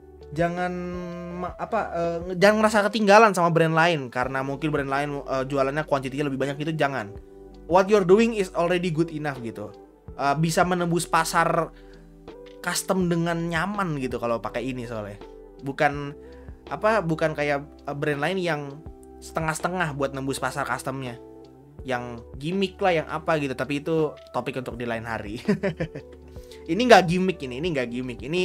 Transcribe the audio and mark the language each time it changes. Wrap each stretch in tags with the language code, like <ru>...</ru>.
<id>Jangan ngerasa ketinggalan sama brand lain karena mungkin brand lain jualannya kuantitinya lebih banyak gitu. Jangan,</id> <en>what you're doing is already good enough</en> <id>gitu. Bisa menembus pasar custom dengan nyaman gitu kalau pakai ini, soalnya bukan kayak brand lain yang setengah-setengah buat nembus pasar customnya, yang gimmick lah, yang apa gitu. Tapi itu topik untuk di lain hari. Ini enggak gimmick.</id>